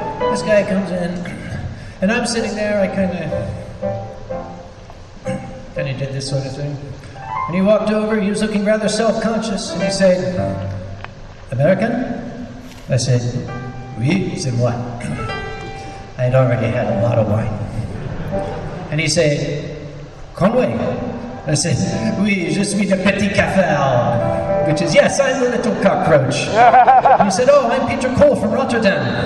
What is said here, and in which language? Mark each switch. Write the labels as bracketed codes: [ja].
[en] This guy comes in, and I'm sitting there. I kind of did this sort of thing. And he walked over. He was looking rather self-conscious. And he said, American? I said, oui? He said, what? I had already had a lot of wine. And he said, Conway. I said, [fr] oui, je suis de petit cafard. [en] Which is, yes, I'm a little cockroach. He said, oh, I'm Peter Cole from Rotterdam.